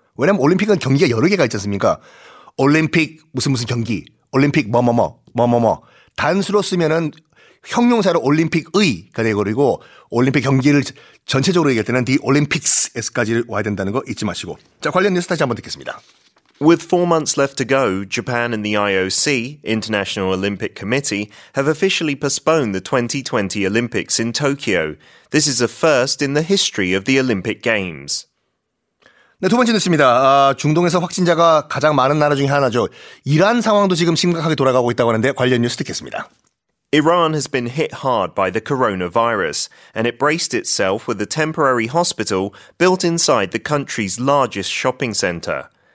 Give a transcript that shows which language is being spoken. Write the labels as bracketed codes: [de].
[ko] 왜냐하면 올림픽은 경기가 여러 개가 있지 않습니까? 올림픽 무슨 경기, 올림픽 뭐뭐뭐. 단수로 쓰면은 형용사로 올림픽의가 되어버리고 올림픽 경기를 전체적으로 얘기할 때는 the Olympics S까지 와야 된다는 거 잊지 마시고. 자, 관련 뉴스 다시 한번 듣겠습니다. [en] With 4 months left to go, Japan and the IOC, International Olympic Committee, have officially postponed the 2020 Olympics in Tokyo. This is a first in the history of the Olympic Games. [ko] 네, 두 번째 뉴스입니다. 아, 중동에서 확진자가 가장 많은 나라 중에 하나죠. 이란 상황도 지금 심각하게 돌아가고 있다고 하는데 관련 뉴스 듣겠습니다. [en] Iran has been hit hard by the coronavirus, and it braced itself with a temporary hospital built inside the country's largest shopping center.